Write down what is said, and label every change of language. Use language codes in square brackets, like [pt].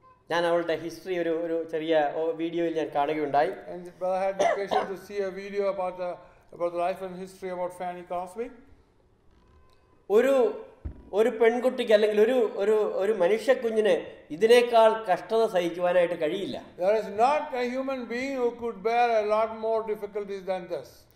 [ml] ഞാൻ അവളുടെ ഹിസ്റ്ററി ഒരു ഒരു ചെറിയ വീഡിയോയിൽ ഞാൻ കാണുകയുണ്ടായി. [en] And the brother had the occasion to see a video about the life and history about Fanny Crosby. [ml] ഒരു ഒരു പെൺകുട്ടിക്ക് അല്ലെങ്കിൽ ഒരു ഒരു ഒരു മനുഷ്യ കുഞ്ഞിന് ഇതിനേക്കാൾ കഷ്ടത സഹിക്കുവാനായിട്ട് കഴിയില്ല. [en] There is not a human being who could bear a lot more difficulties than this.